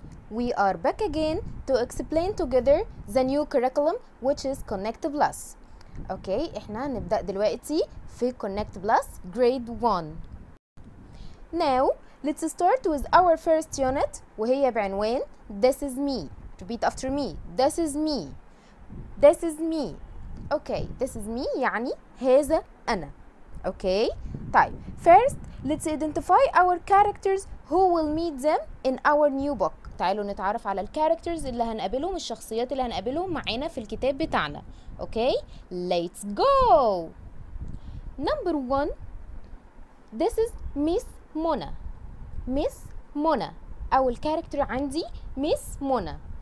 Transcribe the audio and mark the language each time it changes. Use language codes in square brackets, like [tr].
[en] We are back again to explain together the new curriculum which is Connect Plus. [ar] Okay, احنا نبدأ دلوقتي في Connect Plus Grade 1. [en] Now, let's start with our first unit [ar] وهي بعنوان [en] This is me. Repeat after me. This is me. This is me. Okay, this is me [ar] يعني هذا أنا. [en] Okay, time. First, let's identify our characters who will meet them in our new book. [ar] تعالوا نتعرف على الكاركترز اللي هنقابلهم الشخصيات اللي هنقابلهم معنا في الكتاب بتاعنا. [en] Okay, let's go. Number one, this is Miss Mona. Miss Mona. [ar] أول كاركتر عندي Miss Mona.